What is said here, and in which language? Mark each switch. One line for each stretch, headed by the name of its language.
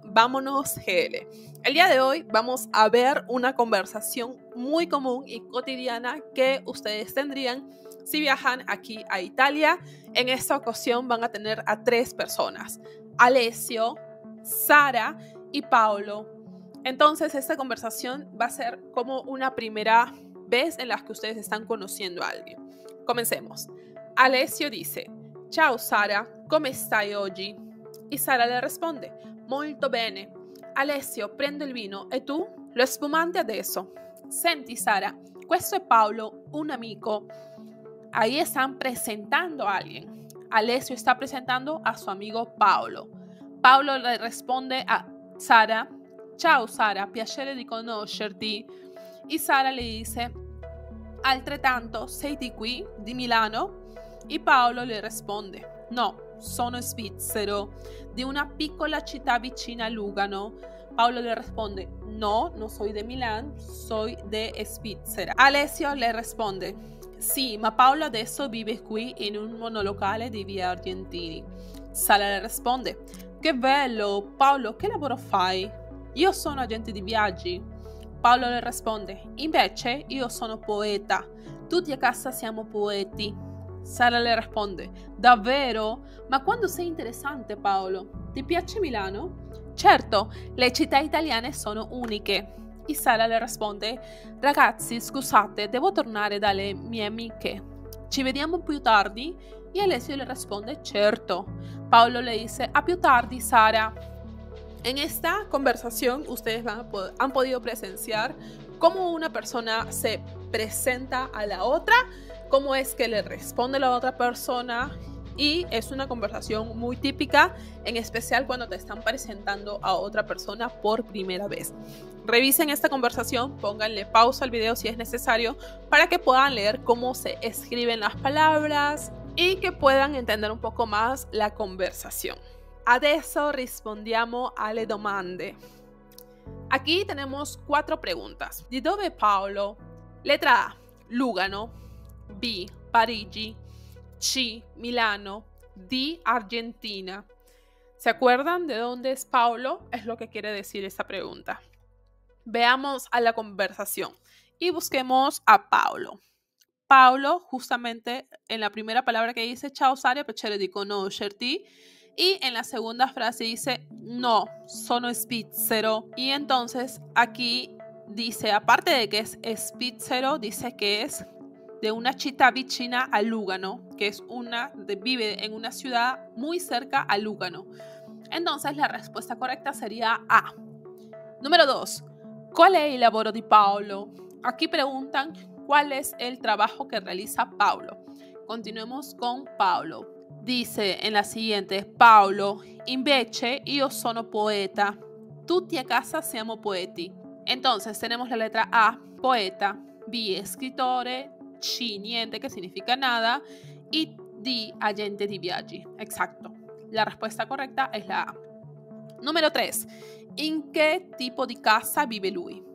Spanish: Vámonos, GL. El día de hoy vamos a ver una conversación muy común y cotidiana que ustedes tendrían si viajan aquí a Italia. En esta ocasión van a tener a tres personas: Alessio, Sara y Paolo. Entonces, esta conversación va a ser como una primera vez en la que ustedes están conociendo a alguien. Comencemos.
Italian: Alessio dice: Ciao Sara, come stai oggi?
Spanish: Y Sara le responde:
Italian: Molto bene. Alessio, prendo il vino, e tu? Lo spumante adesso. Senti Sara, questo è Paolo, un amico.
Spanish: Ahí están presentando a alguien. Alessio está presentando a su amigo Paolo. Paolo le responde a Sara:
Italian: Ciao Sara, piacere di conoscerti. Y Sara le dice: Altrettanto, sei di qui, di Milano? Y Paolo le responde: No, sono svizzero, di una piccola città vicina a Lugano.
Spanish: Paolo le responde: No, non soy de Milán, soy de Svizzera.
Italian: Alessio le responde: Sì, ma Paolo adesso vive qui in un monolocale di via Argentini. Sara le risponde: Che bello, Paolo, che lavoro fai? Io sono agente di viaggi. Paolo le risponde: Invece, io sono poeta. Tutti a casa siamo poeti. Sara le risponde: Davvero? Ma quando sei interessante, Paolo. Ti piace Milano? Certo, le città italiane sono uniche. E Sara le risponde: Ragazzi, scusate, devo tornare dalle mie amiche. Ci vediamo più tardi? E Alessio le risponde: Certo.
Spanish: Paolo le dice:
Italian: A più tardi, Sara.
Spanish: En esta conversación ustedes han podido presenciar cómo una persona se presenta a la otra, cómo es que le responde la otra persona, y es una conversación muy típica, en especial cuando te están presentando a otra persona por primera vez. Revisen esta conversación, pónganle pausa al video si es necesario para que puedan leer cómo se escriben las palabras y que puedan entender un poco más la conversación.
Italian: Adesso rispondiamo alle domande.
Spanish: Aquí tenemos cuatro preguntas. ¿De dónde Paolo? Letra A, Lugano. B, Parigi. C, Milano. D, Argentina. ¿Se acuerdan de dónde es Paolo? Es lo que quiere decir esta pregunta. Veamos a la conversación y busquemos a Paolo. Paolo, justamente en la primera palabra que dice:
Italian: Ciao Sara, piacere di conoscerti.
Spanish: Y en la segunda frase dice:
Italian: No, sono svizzero.
Spanish: Y entonces aquí dice, aparte de que es svizzero, dice que es de una città vicina a Lugano, que es vive en una ciudad muy cerca a Lugano. Entonces la respuesta correcta sería A. Número 2. ¿Cuál es el
Italian: lavoro di Paolo?
Spanish: Aquí preguntan cuál es el trabajo que realiza Paolo. Continuemos con Paolo. Dice en la siguiente: Paolo,
Italian: invece io sono poeta. Tutti a casa siamo poeti.
Spanish: Entonces tenemos la letra A, poeta. B, escritore. C, niente, que significa nada. Y D,
Italian: agente di viaggi.
Spanish: Exacto. La respuesta correcta es la A. Número 3. ¿En qué tipo de casa vive lui?